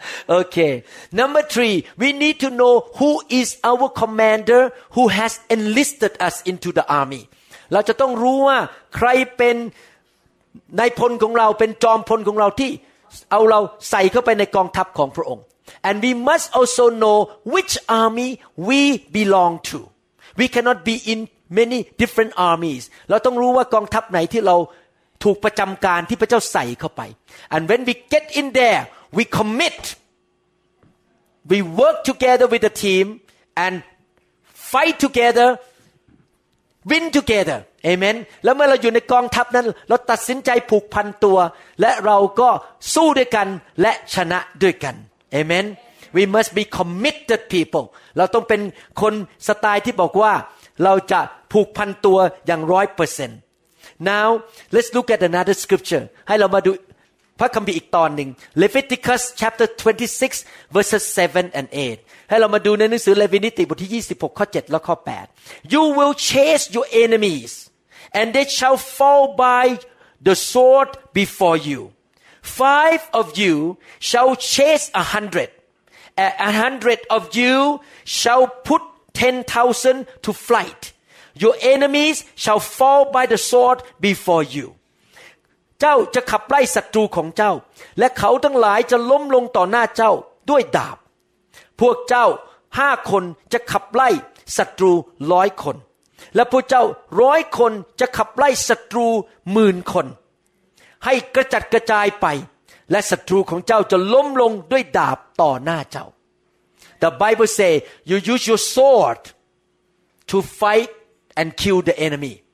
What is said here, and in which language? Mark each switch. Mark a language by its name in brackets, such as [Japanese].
[English] โอเค Number three we need to know who is our commander who has enlisted us into the army [Thai] เราจะต้องรู้ว่าใครเป็นนายพลของเราเป็นจอมพลของเราที่เอาเราใส่เข้าไปในกองทัพของพระองค์ [English] And we must also know which army we belong to we cannot be in many different armies [Thai] เราต้องรู้ว่ากองทัพไหนที่เราถูกประจำการที่พระเจ้าใส่เข้าไป [English] and when we get in there we commit we work together with the team and fight together win together [Thai] amen แล้วเมื่อเราอยู่ในกองทัพนั้นเราตัดสินใจผูกพันตัวและเราก็สู้ด้วยกันและชนะด้วยกัน [English] amen we must be committed people [Thai] เราต้องเป็นคนสไตล์ที่บอกว่าเราจะผูกพันตัวอย่าง 100% [English] Now let's look at another scripture. [Thai] ให้เรามาดูพระคัมภีร์อีกตอนหนึ่ง [English] Leviticus chapter 26 verses 7 and 8. [Thai] ให้เรามาดูในหนังสือเลวีนิติบทที่26ข้อ7และข้อ8 [English] You will chase your enemies and they shall fall by the sword before you. Five of you shall chase 100. 100 of you shall put 10,000 to flight. Your enemies shall fall by the sword before you. [Thai] เจ้าจะขับไล่ศัตรูของเจ้าและเขาทั้งหลายจะล้มลงต่อหน้าเจ้าด้วยดาบพวกเจ้า5คนจะขับไล่ศัตรู100คนและพวกเจ้า100คนจะขับไล่ศัตรู10,000คนให้กระจัดกระจายไปและศัตรูของเจ้าจะล้มลงด้วยดาบต่อหน้าเจ้า [English] The Bible say you use your sword to fight and kill the enemy.